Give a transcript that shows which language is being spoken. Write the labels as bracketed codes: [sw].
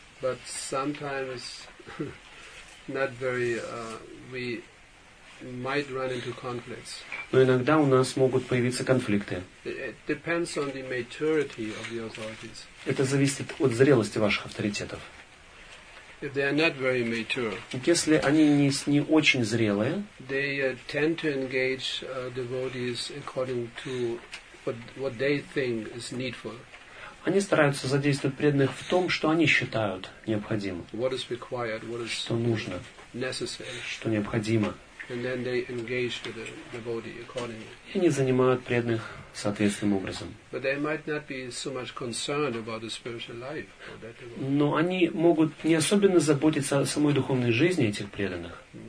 [en] But sometimes not very we might run into conflicts. [ru] Но иногда у нас могут появиться конфликты. [en] It depends on the maturity of the authorities. [ru] Это зависит от зрелости ваших авторитетов. [en] If they are not very mature, [ru] если они не очень зрелые, [en] they tend to engage devotees according to what they think is needful. [ru] Они стараются задействовать преданных в том, что они считают необходимым. [en] What is required, what is [ru] что нужно, [en] necessary. [ru] Что необходимо. [en] And then they engage with the devotee accordingly. [ru] И они занимают преданных соответствующим образом. [en] But they might not be so much concerned about the spiritual life of that devotee. [ru] Но они могут не особенно заботиться о самой духовной жизни этих преданных.